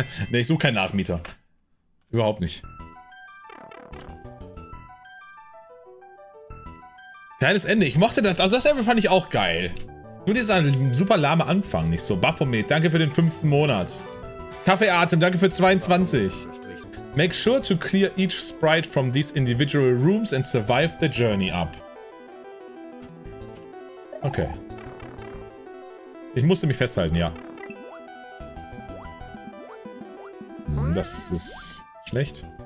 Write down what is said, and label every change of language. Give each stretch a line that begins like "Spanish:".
German: Ne, ich suche keinen Nachmieter. Überhaupt nicht. Kleines Ende. Ich mochte das. Also das Level fand ich auch geil. Nur dieser super lahme Anfang. Nicht so. Baphomet, danke für den 5. Monat. Kaffeeatem, danke für 22.
English: Make sure to clear each sprite from these individual rooms and survive the journey up.
German: Okay. Ich musste mich festhalten, ja. Das ist schlecht.